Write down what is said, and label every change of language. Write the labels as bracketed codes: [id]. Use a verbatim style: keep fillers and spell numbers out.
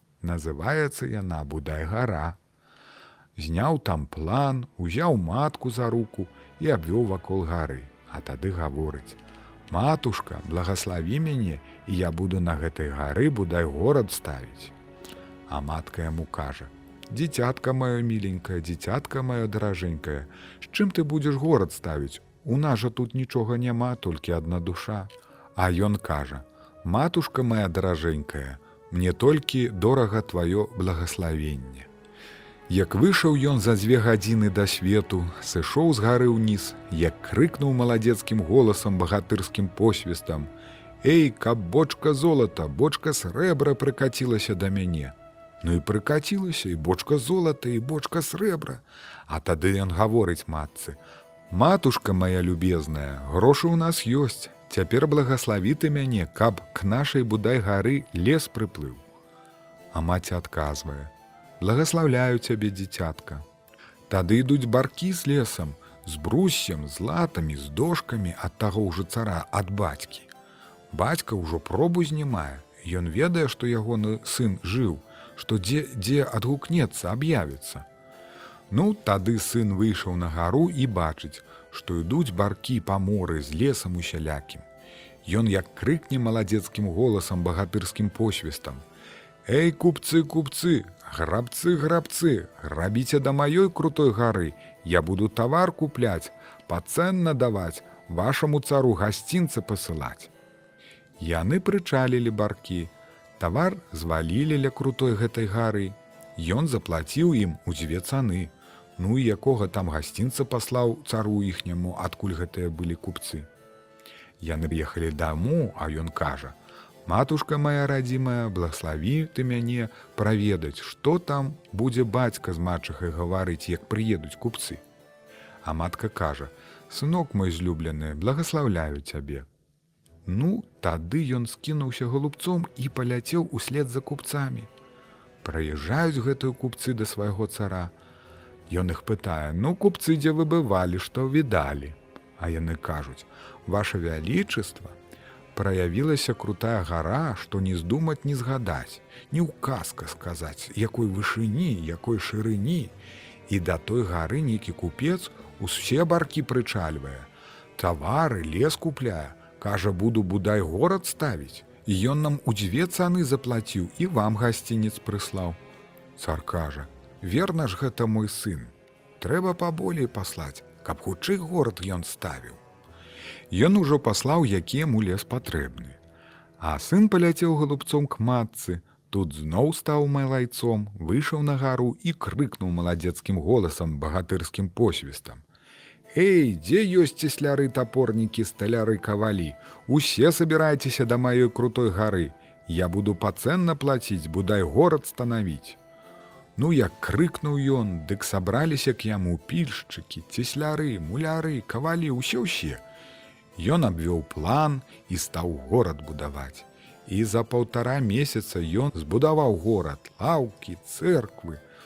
[be] Называецца яна Будай гара. Зняў там план, узяў матку за руку і абвёў вакол гары, а тады гаворыць: «Матушка, благослови мяне, і я буду на гэтай гары Будай горад ставіць». А матка яму кажа: «Дзіцятка маё міленькае, дзіцятка маё даражэнькае, з чым ты будзеш горад ставіць? У нас жа тут нічога няма, толькі адна душа». А ён кажа: «Матушка моя даражэнькая, мне толькі дорага твоё благословенне». Як выйшаў ён за дзве гадзіны да свету, сышоў з гары ўніз, як крыкнуў маладзецкім голасам, багатырскім посвістам: «Эй, каб бочка золата, бочка срэбра прыкацілася да мяне». Ну і прыкацілася і бочка золата, і бочка срэбра. А тады ён гаворыць матцы: «Матушка моя любезная, грошы ў нас ёсць, цяпер благослови ты мяне, каб к нашай Будай гары лес прыплыў». А маці адказвае: «Благословляю цябе, дзіцятка». Тады ідуць баркі з лесам, з бруссем, з латамі, з дошкамі ад таго ўжо цара, ад бацькі. Бацька ўжо пробу знімае, ён ведае, што ягоны сын жыў, што дзе, дзе адгукнецца, аб'явіцца. Ну, тады сын выйшаў на гару і бачыць, што ідуць баркі па моры з лесам усялякім. Ён як крыкне маладзецкім голасам, багатырскім посвістам: [ru] «Эй, купцы, купцы, грабцы, грабцы, грабите до моей крутой горы, я буду товар куплять, по ценно давать, вашему цару гостинцы посылать». [be] Яны прычалілі баркі, тавар звалілі ля крутой гэтай гары. Ён заплаціў ім у дзве цаны. Ну і якога там гасцінца паслаў цару іхняму, адкуль гэтыя былі купцы. Яны ехалі даму, а ён кажа: «Матушка моя радзімая, благослови ты мяне праведаць, што там будзе бацька з матчыхай гаварыць, як прыедуць купцы». А матка кажа: «Сынок мой злюблены, благословляю цябе». Ну, тады ён скінуўся галубцом і паляцеў услед за купцамі. Праязджаюць гэтыя купцы да свайго цара. Ён іх пытае: «Ну, купцы, дзе вы бывалі, што відалі?» А яны кажуць: «Ваша вялічыства, праявілася крутая гара, што не здумаць, не згадаць, не ў казка сказаць, якой вышыні, якой шырыні». І да той гары нейкі купец усе баркі прычальвае, тавары, лес купляе. Кажа, буду будай горад ставіць, і ён нам у дзве цаны заплаціў і вам гасцінец прыслаў. Цар кажа: «Верна ж гэта мой сын, трэба паболей паслаць, каб хутчэй горад ён ставіў». Ён ужо паслаў, які яму лес патрэбны. А сын паляцеў галубцом к матцы, тут зноў стаў малайцом, выйшаў на гару і крыкнуў маладзецкім голасам, багатырскім посвістам: «Эй, дзе ёсць цесляры, топорнікі, сталяры, кавалі? [ru] Усе собирайтеся до моей крутой горы. [be] Я буду пацэнна плаціць, будай горад станавіць». Ну, як крыкнуў ён, дык сабраліся к яму пільшчыкі, цесляры, муляры, кавалі, усе-ўсе. Ён абвёў план і стаў горад будаваць. І за паўтара месяца ён збудаваў горад, лаўкі, церквы.